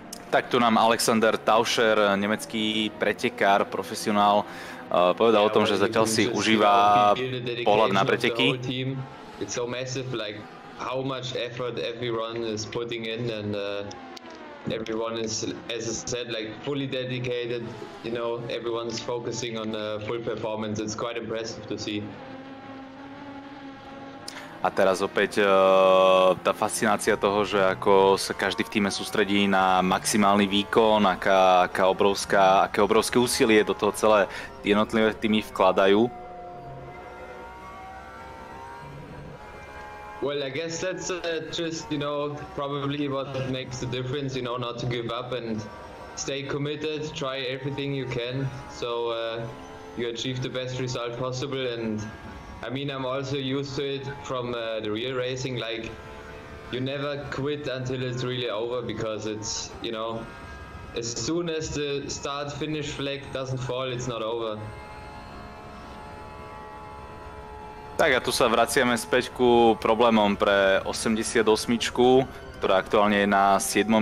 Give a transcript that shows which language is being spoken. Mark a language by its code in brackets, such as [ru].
[sk] Tak tu nám Alexander Tauscher, nemecký pretekár, profesionál, povedal o tom, že zatiaľ si užíva pohľad na preteky. [en] It's so massive, like how much effort everyone is putting in and everyone is, as I said, like fully dedicated, you know, everyone's focusing on full performance. It's quite impressive to see. [sk] A teraz opäť tá fascinácia toho, že ako sa každý v týme sústredí na maximálny výkon, aké obrovské úsilie do toho celé jednotlivé týmy vkladajú. [en] Well, I guess that's just, you know, probably what makes the difference, you know, not to give up and stay committed, try everything you can, so you achieve the best result possible. And I mean, I'm also used to it from the real racing, like you never quit until it's really over, because it's, you know, as soon as the start finish flag doesn't fall, it's not over. [sk] Tak a tu sa vraciame späť ku problémom pre 88-čku, ktorá aktuálne je na 7.